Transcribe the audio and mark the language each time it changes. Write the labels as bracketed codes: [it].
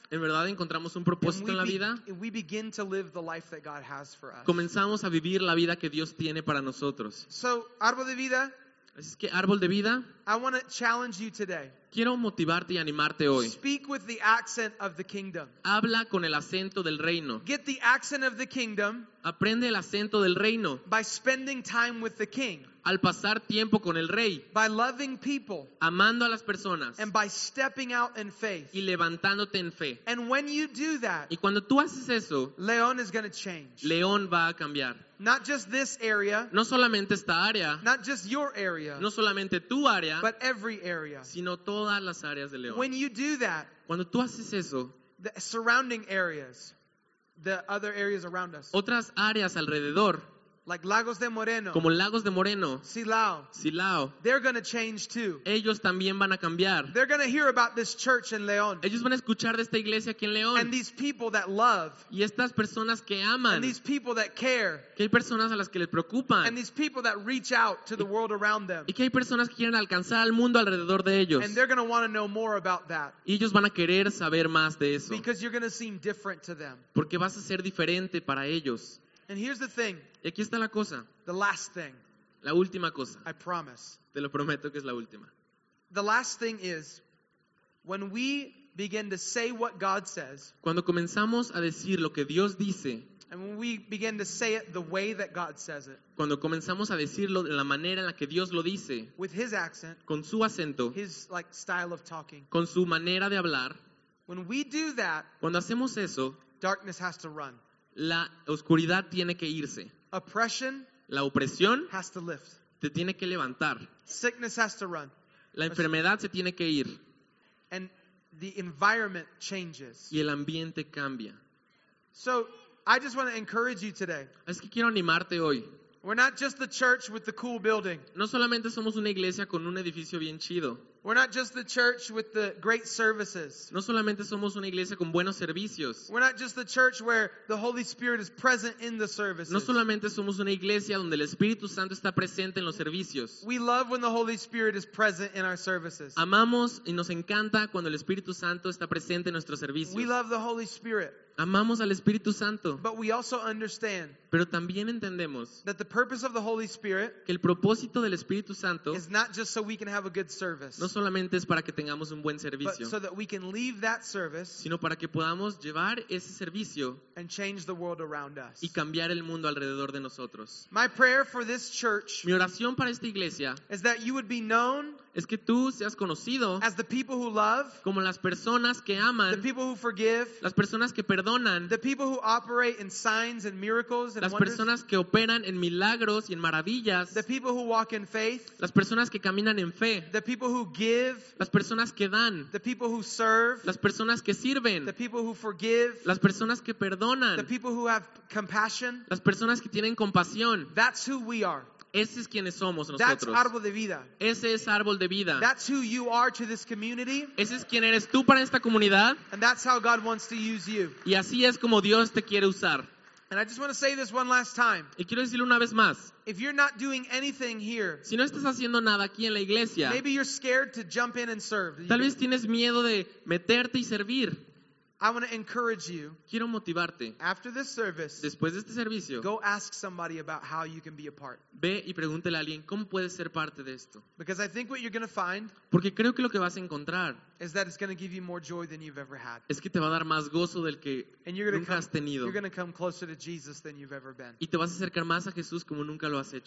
[es] En verdad encontramos un propósito en la vida. [en] We begin to live the life that God has for us. [es] Comenzamos a vivir la vida que Dios tiene para nosotros. [en] So, árbol de vida. [es] Así es que, árbol de vida, [en] I want to challenge you today. [es] Quiero motivarte y animarte hoy. [en] Speak with the accent of the kingdom. [es] Habla con el acento del reino. [en] Get the accent of the kingdom. [es] Aprende el acento del reino. [en] By spending time with the king. [es] Al pasar tiempo con el rey. [en] By loving people. [es] Amando a las personas. [en] And by stepping out in faith. [es] Y levantándote en fe. [en] And when you do that, [es] y cuando tú haces eso, [en] León is going to change. [es] León va a cambiar. [en] Not just this area, [es] no solamente esta área, [en] not just your area, [es] no solamente tu área, [en] but every area, [es] sino todas las áreas de León. [en] When you do that, [es] cuando tú haces eso, [en] the surrounding areas, the other areas around us, [es] otras áreas alrededor, [en] like Lagos de Moreno, [es] como Lagos de Moreno, [en] Silao, they're going to change too. [es] Ellos también van a cambiar. [en] They're going to hear about this church in León. [es] Ellos van a escuchar de esta iglesia aquí en León. [en] And these people that love. [es] Y estas personas que aman. [en] And these people that care. [es] Que hay personas a las que les preocupan. [en] And these people that reach out to the world around them. [es] Y que hay personas que quieren alcanzar al mundo alrededor de ellos. [en] And they're going to want to know more about that. [es] Y ellos van a querer saber más de eso. [en] Because you're going to seem different to them. [es] Porque vas a ser diferente para ellos. [en] And here's the thing. [es] Y aquí está la cosa. [en] The last thing. [es] La última cosa. [en] I promise. [es] Te lo prometo que es la última. [en] The last thing is, when we begin to say what God says, [es] cuando comenzamos a decir lo que Dios dice, [en] and when we begin to say it the way that God says it, [es] cuando comenzamos a decirlo de la manera en la que Dios lo dice, [en] with his accent, [es] con su acento, [en] his like style of talking, [es] con su manera de hablar, [en] when we do that, [es] cuando hacemos eso, [en] darkness has to run. [es] La oscuridad tiene que irse. [en] Oppression, [es] la opresión, [en] has to lift. [es] Te tiene que levantar. [en] Sickness has to run. [es] La enfermedad se tiene que ir. [en] And the environment changes. [es] Y el ambiente cambia. [en] So, I just want to encourage you today. [es] Es que quiero animarte hoy. [en] We're not just the church with the cool building. [es] No solamente somos una iglesia con un edificio bien chido. [en] We're not just the church with the great services. [es] No solamente somos una iglesia con buenos servicios. [en] We're not just the church where the Holy Spirit is present in the services. [es] No solamente somos una iglesia donde el Espíritu Santo está presente en los servicios. [en] We love when the Holy Spirit is present in our services. [es] Amamos y nos encanta cuando el Espíritu Santo está presente en nuestros servicios. [en] We love the Holy Spirit. [es] Amamos al Espíritu Santo. [en] But we also understand. [es] Pero también entendemos [en] that the purpose of the Holy Spirit, [es] que el propósito del Espíritu Santo, [en] is not just so we can have a good service, [es] no solamente es para que tengamos un buen servicio, [en] but so that we can leave that service, [es] sino para que podamos llevar ese servicio, [en] and change the world around us, [es] y cambiar el mundo alrededor de nosotros. [en] My prayer for this church, [es] mi oración para esta iglesia, [en] is that you would be known, [es] es que tú seas conocido, [en] as the people who love, [es] como las personas que aman, [en] the people who forgive, [es] las personas que perdonan, [en] the people who operate in signs and miracles. [es] Las personas que operan en milagros y en maravillas. [en] The people who walk in faith. [es] Las personas que caminan en fe. [en] The people who give. [es] Las personas que dan. [en] The people who serve. [es] Las personas que sirven. [en] The people who forgive. [es] Las personas que perdonan. [en] The people who have compassion. [es] Las personas que tienen compasión. [en] That's who we are. [es] Ese es quienes somos nosotros. [en] That's árbol de vida. [es] Ese es árbol de vida. [en] That's who you are to this community. [es] Ese es quien eres tú para esta comunidad. [en] And that's how God wants to use you. [es] Y así es como Dios te quiere usar. [en] And I just want to say this one last time. [es] Y quiero decirlo una vez más. [en] If you're not doing anything here, [es] si no estás haciendo nada aquí en la iglesia, [en] maybe you're scared to jump in and serve. [es] Tal vez tienes miedo de meterte y servir. [en] I want to encourage you. [es] Quiero motivarte. [en] After this service, [es] después de este servicio, [en] go ask somebody about how you can be a part. [es] Ve y pregúntale a alguien cómo puedes ser parte de esto. [en] Because I think what you're going to find, [es] porque creo que lo que vas a encontrar, [en] is that it's going to give you more joy than you've ever had. [es] Es que te va a dar más gozo del que nunca has tenido. [en] You're going to come closer to Jesus than you've ever been. [es] Y te vas a acercar más a Jesús como nunca lo has hecho.